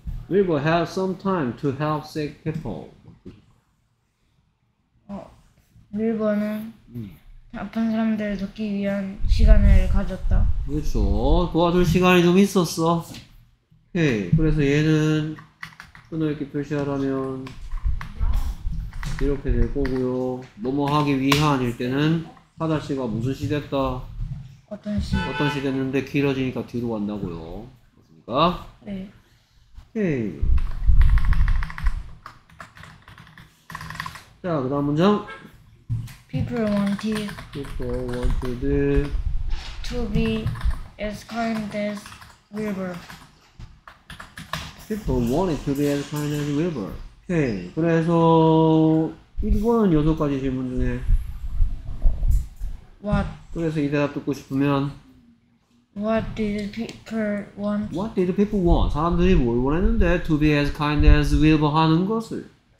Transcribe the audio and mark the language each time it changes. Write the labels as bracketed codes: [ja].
[en] We will have some time to help sick people. [ko] 1번은 아픈 사람들을 돕기 위한 시간을 가졌다. 그렇죠. 도와줄 시간이 좀 있었어. 오케이. 그래서 얘는 끊어 이렇게 표시하라면 이렇게 될 거고요. 뭐뭐 하기 위한일 때는 하다 씨가 무슨 시 됐다? 어떤 시 됐는데 길어지니까 뒤로 간다고요. 맞습니까? 네. 오케이. 자, 그 다음 문장. [en] People wanted to be as kind as Wilbur. People wanted to be as kind as Wilbur. Okay. [ko] 그래서 이거는 여섯 가지 질문 중에 [en] What? [ko] 그래서 이 대답 듣고 싶으면 [en] What did people want? What did people want? [ko] 사람들이 뭘 원했는데 [en] to be as kind as Wilbur [ko] 하는 것을.